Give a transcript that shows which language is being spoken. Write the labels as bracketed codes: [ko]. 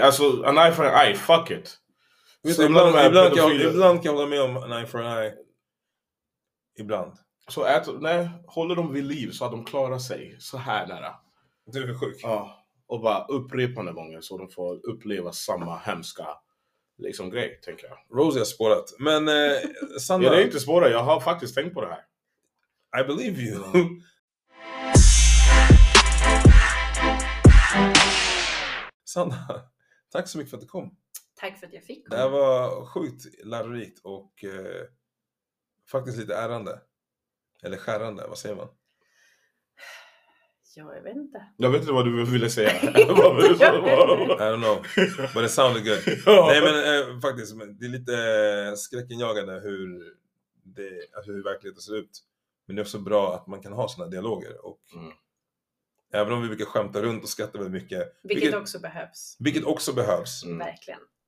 [sv] Alltså, [en] an eye for an eye, fuck it. [sv] Ibland kan jag hålla med om [en] an eye for an eye. [sv] Ibland. Så äter, nej, håller de vid liv så att de klarar sig så här nära. Du är sjuk. Ja, och bara upprepande gånger så de får uppleva samma hemska liksom grej, tänker jag. Rosie har spårat. Men Sandra... Ja, det är inte spårat. Jag har faktiskt tänkt på det här. [en] I believe you. [sv] Sandra, tack så mycket för att du kom. Tack för att jag fick. Det här var sjukt lärorikt och faktiskt lite ärande. Eller skärande, vad säger man? Jag vet inte. Jag vet inte vad du ville säga. [en] I don't know, but it sounded good. [sv] Nej, men faktiskt, det är lite skräckinjagande hur verkligheten ser ut. Men det är också bra att man kan ha såna dialoger och... Även om vi brukar skämta runt och skratta väldigt mycket. Vilket också behövs. Mm. Verkligen.